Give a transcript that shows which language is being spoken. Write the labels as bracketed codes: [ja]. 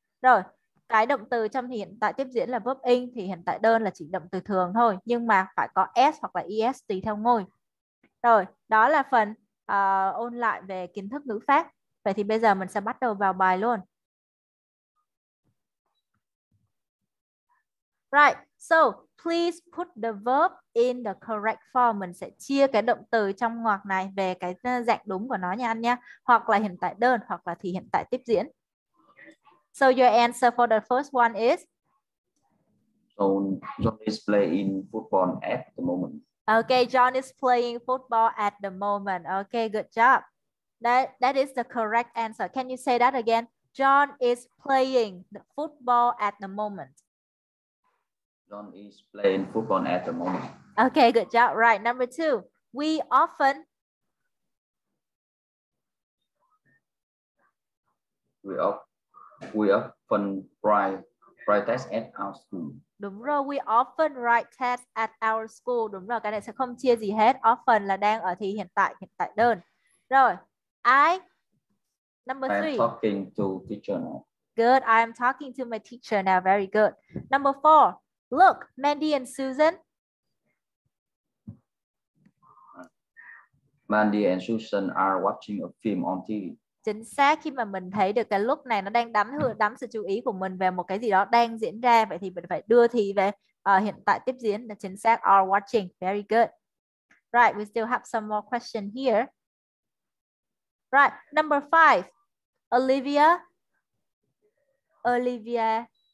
[vi] Rồi, cái động từ trong thì hiện tại tiếp diễn là verb in, thì hiện tại đơn là chỉ động từ thường thôi, nhưng mà phải có s hoặc là es tùy theo ngôi. Rồi, đó là phần ôn lại về kiến thức ngữ pháp. Vậy thì bây giờ mình sẽ bắt đầu vào bài luôn. [en] Right, so please put the verb in the correct form. [vi] Mình sẽ chia cái động từ trong ngoặc này về cái dạng đúng của nó nha anh nha. Hoặc là hiện tại đơn, hoặc là thì hiện tại tiếp diễn. [en] So your answer for the first one is? So John is playing football at the moment. Okay, John is playing football at the moment. Okay, good job. That is the correct answer. Can you say that again? John is playing the football at the moment. John is playing football at the moment. Okay, good job. Right, number two. We often. We often write tests at our school. [vi] Đúng rồi, [en] we often write tests at our school. [vi] Đúng rồi, cái này sẽ không chia gì hết. Often là đang ở thì hiện tại đơn. [en] Rồi, number I'm three. talking to teacher now. Good, I am talking to my teacher now. Very good. Number four. Look, Mandy and Susan. And Susan are watching a film on TV. [vi] Chính xác, khi mà mình thấy được cái lúc này nó đang đắm sự chú ý của mình về một cái gì đó đang diễn ra, vậy thì mình phải đưa thì về hiện tại tiếp diễn là chính xác, [en] are watching. Very good. Right, we still have some more question here. Right, number five. Olivia. Olivia.